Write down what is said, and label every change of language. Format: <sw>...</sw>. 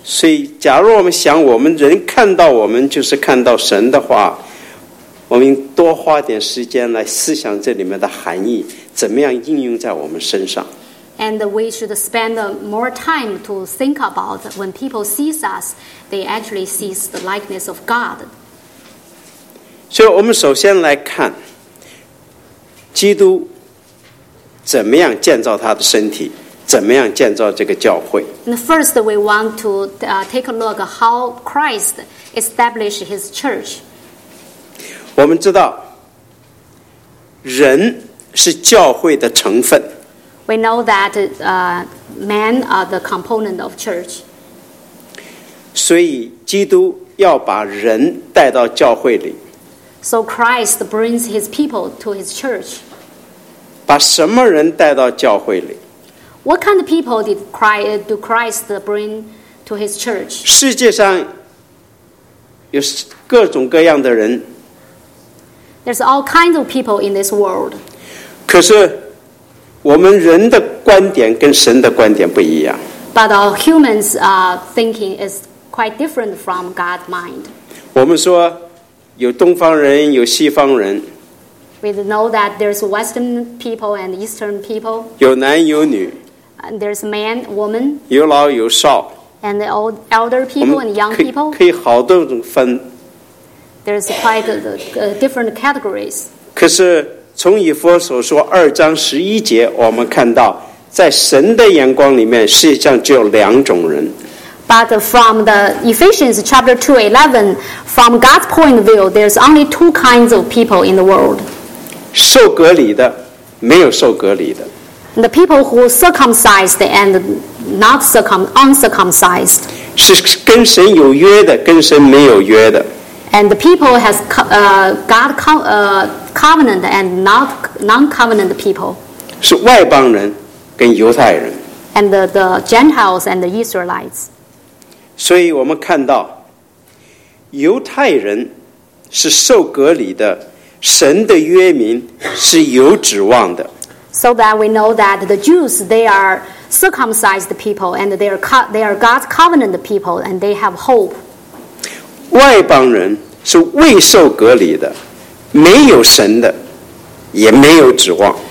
<zh>所以假如我们想我们人看到我们就是看到神的话，我们多花点时间来思想这里面的含义，怎么样应用在我们身上。</zh> <en>And we should spend more time to think about when people see us, they actually see the likeness of God.</en> <zh>所以我们首先来看基督怎么样建造他的身体，怎么样建造这个教会。</zh> <en>And first, we want to take a look how Christ established his church.</en> <zh>我们知道人是教会的成分。</zh> <en>We know that men are the component of church.</en> <zh>所以基督要把人带到教会里。</zh> <en>So Christ brings his people to his church.</en> <zh>把什么人带到教会里？</zh> <en>What kind of people did Christ, do Christ bring to his church?</en> <zh>世界上有各种各样的人。</zh> <en>There's all kinds of people in this world.</en> <zh>可是我们人的观点跟神的观点不一样。</zh> <en>But our humans, thinking is quite different from God's mind.</en> <zh>我们说有东方人，有西方人。</zh> <en>We know that there's Western people and Eastern people.</en> <zh>有男有女。</zh> <en>There's man, woman,</en> <zh>有老有少</zh> <en>and the old, elder people and young people.</en> <zh>可以好多种分</zh> <en>There's quite different categories.</en> <zh>可是从以弗所说二章十一节我们看到在神的眼光里面实际上只有两种人</zh> <en>But from the Ephesians chapter 2:11, from God's point of view, there's only two kinds of people in the world.</en> <zh>受隔离的没有受隔离的</zh> <en>The people who circumcised and not uncircumcised.</en> <zh>是跟神有约的，跟神没有约的。</zh> <en>And the people has God covenant and not non-covenant people.</en> <zh>是外邦人跟犹太人。</zh> <en>And the Gentiles and the Israelites.</en> <zh>所以我们看到，犹太人是受隔离的，神的约民是有指望的。</zh> <en>So that we know that the Jews, they are circumcised people, and they are God's covenant people, and they have hope.</en> <zh>外邦人是未受隔离的，没有神的，也没有指望。</zh>